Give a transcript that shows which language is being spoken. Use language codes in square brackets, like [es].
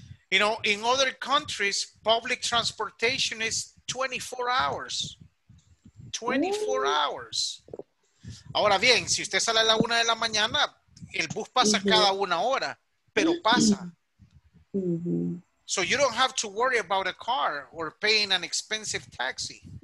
[en] You know, in other countries, public transportation is 24 hours. 24 hours. [es] Ahora bien, si usted sale a la 1 de la mañana, el bus pasa cada una hora, pero pasa. [en] So you don't have to worry about a car or paying an expensive taxi.